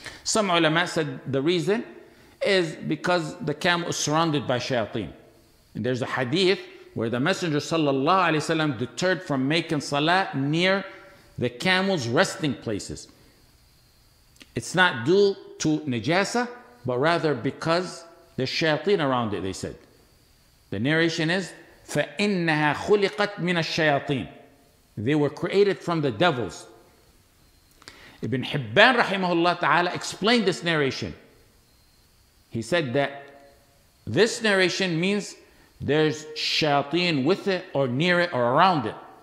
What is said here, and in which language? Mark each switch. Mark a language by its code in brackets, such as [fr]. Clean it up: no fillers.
[en] Some ulama said the reason is because the camel is surrounded by shayateen. And there's a hadith where the Messenger sallallahu alaihi wasallam deterred from making salah near the camel's resting places. It's not due to najasa, but rather because there's shayateen around it, they said. The narration is, [ar] فَإِنَّهَا خُلِقَتْ مِنَ الشَّيَاطِينَ. [en] They were created from the devils. Ibn Hibban rahimahullah ta'ala explained this narration. He said that this narration means there's shayateen with it or near it or around it.